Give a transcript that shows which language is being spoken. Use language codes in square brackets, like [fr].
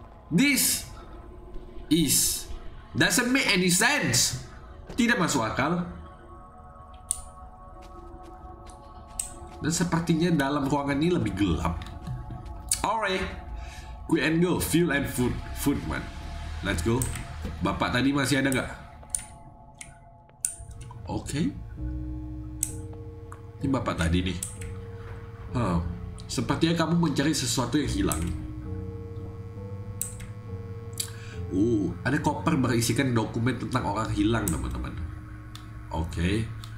[en] This is doesn't make any sense. [id] Tidak masuk akal. Dan sepertinya dalam ruangan ini lebih gelap. [en] Alright, quick and go, fuel and food, food man. Let's go. [id] Bapak tadi masih ada nggak? [en] Okay. [id] Ini bapak tadi nih. Sepertinya kamu mencari sesuatu yang hilang. Ada koper berisikan dokumen tentang orang hilang, teman-teman. Okay.